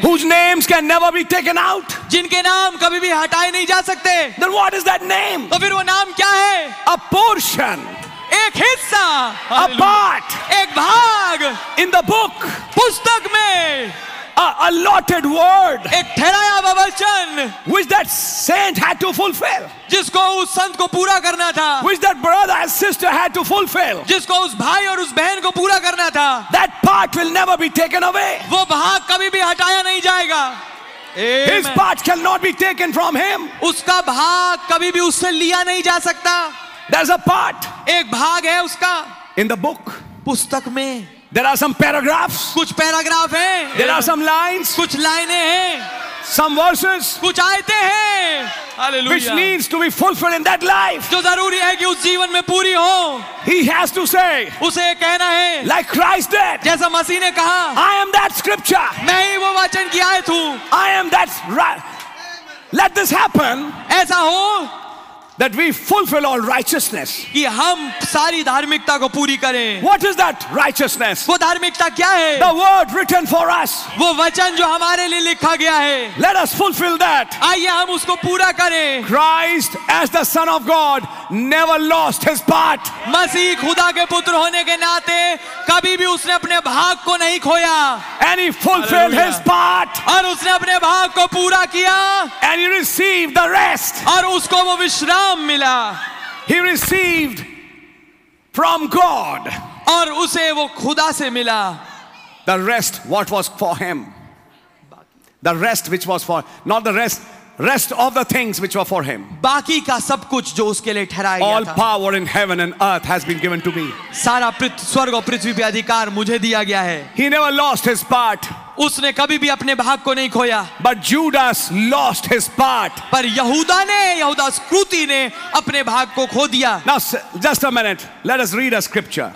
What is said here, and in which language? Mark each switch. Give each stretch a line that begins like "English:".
English: Whose names can never be taken out.
Hindi: जिनके नाम कभी भी हटाए नहीं जा सकते.
English: Then what is that name?
Hindi: तो फिर वो नाम क्या है?
English: A portion.
Hindi: एक हिस्सा.
English: A part.
Hindi: एक भाग.
English: In the book.
Hindi: पुस्तक में.
English: A allotted word,
Hindi: एक ठहराया हुआ वचन,
English: which that saint had to fulfill,
Hindi: जिसको उस संत को पूरा करना था,
English: which that brother and sister had to fulfill,
Hindi: जिसको उस भाई और उस बहन को पूरा करना था,
English: that part will never be taken away,
Hindi: वो भाग कभी भी हटाया नहीं जाएगा.
English: Amen. His part shall not be taken from him,
Hindi: उसका भाग कभी भी उससे लिया नहीं जा सकता.
English: There's a part,
Hindi: एक भाग है उसका,
English: in the book,
Hindi: पुस्तक में.
English: There are some paragraphs.
Hindi: कुछ paragraph हैं.
English: There are some lines.
Hindi: कुछ लाइनें हैं.
English: Some verses.
Hindi: कुछ आयतें हैं.
English: Hallelujah. Which needs to be fulfilled in that life.
Hindi: जो जरूरी है कि उस जीवन में पूरी हो.
English: He has to say.
Hindi: उसे कहना है.
English: Like Christ did.
Hindi: जैसा मसीह ने कहा.
English: I am that scripture.
Hindi: मैं ही वो वचन की आयत हूँ.
English: I am that. Right. Let this happen.
Hindi: ऐसा हो.
English: That we fulfill all righteousness.
Hindi: कि हम सारी धार्मिकता को पूरी करें.
English: What is that righteousness?
Hindi: वो धार्मिकता क्या है?
English: The word written for us.
Hindi: वो वचन जो हमारे लिए लिखा गया है.
English: Let us fulfill that.
Hindi: आइए हम उसको पूरा करें.
English: Christ as the Son of God never lost his part.
Hindi: मसीह खुदा के पुत्र होने के नाते कभी भी उसने अपने भाग को नहीं खोया.
English: And he fulfilled his part.
Hindi: और उसने अपने भाग को पूरा किया.
English: And he received the rest.
Hindi: और उसको वो विश्राम मिला.
English: He received from God.
Hindi: और उसे वो खुदा से मिला.
English: The rest, what was for him? The rest which was for, not the rest, rest of the things which were for him.
Hindi: बाकी का सब कुछ जो उसके लिए ठहराया गया था.
English: All power in heaven and earth has been given to me.
Hindi: सारा स्वर्ग और पृथ्वी पे अधिकार मुझे दिया गया है.
English: He never lost his part.
Hindi: उसने कभी भी अपने भाग को नहीं खोया.
English: But Judas lost his part.
Hindi: पर यहूदा ने, यहूदा स्क्रूती ने अपने भाग को खो दिया.
English: Now just a minute, let us read a scripture.